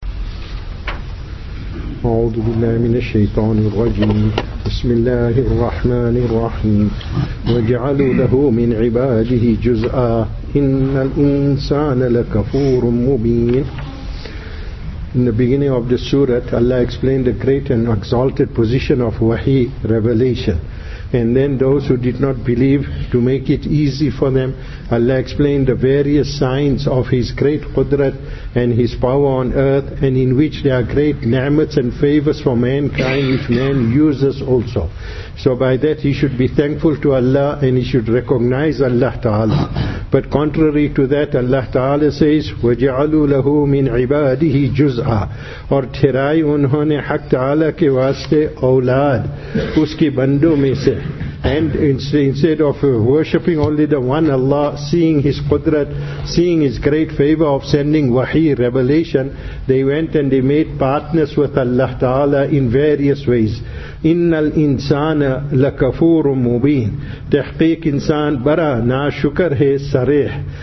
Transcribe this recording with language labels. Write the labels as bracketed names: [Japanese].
[Arabic] أعوذ بالله من الشيطان الرجيم. بسم الله الرحمن الرحيم. واجعلوا له من عباده جزءا إن الإنسان لكفور مبين. [English] In the beginning of the surah, Allah explained the great and exalted position of wahi, revelation. And then those who did not believe, to make it easy for them, Allah explained the various signs of His great qudrat and His power on earth, and in which there are great ni'mats and favors for mankind, which man uses also. So by that he should be thankful to Allah and he should recognize Allah Ta'ala. But contrary to that, Allah Ta'ala says, [Arabic] وَجَعَلُوا لَهُ مِنْ عِبَادِهِ جُزْعًا. [Urdu] اور ٹھرائی انہوں نے حق تعالیٰ کے واسطے اولاد اس کی بندوں میں سے. [English] And instead of worshipping only the one Allah, seeing His Qudrat, seeing His great favor of sending wahi, revelation, they went and they made partners with Allah Ta'ala in various ways. [Arabic] إِنَّ الْإِنسَانَ لَكَفُورٌ مُبِينٌ. [Urdu] تحقیق انسان برا ناشکر ہے سریح.